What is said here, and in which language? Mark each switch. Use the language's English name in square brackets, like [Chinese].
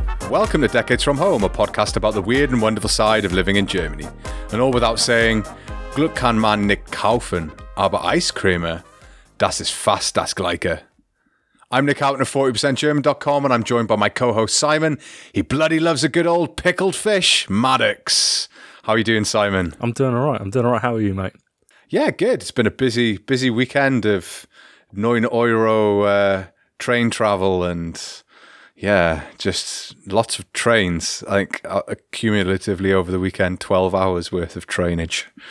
[English] Welcome to Decades From Home, a podcast about the weird and wonderful side of living in Germany. And all without saying, [German] Glück kann man nicht kaufen, aber Eiscreme, das ist fast das Gleiche. [English] I'm Nick Houghton of 40%German.com and I'm joined by my co-host Simon. He bloody loves a good old pickled fish, Maddox. How are you doing, Simon? I'm doing all right. How are you, mate? Yeah, good. It's been a busy weekend of 9 euro train travel and, yeah, just lots of trains, like cumulatively over the weekend, 12 hours worth of trainage.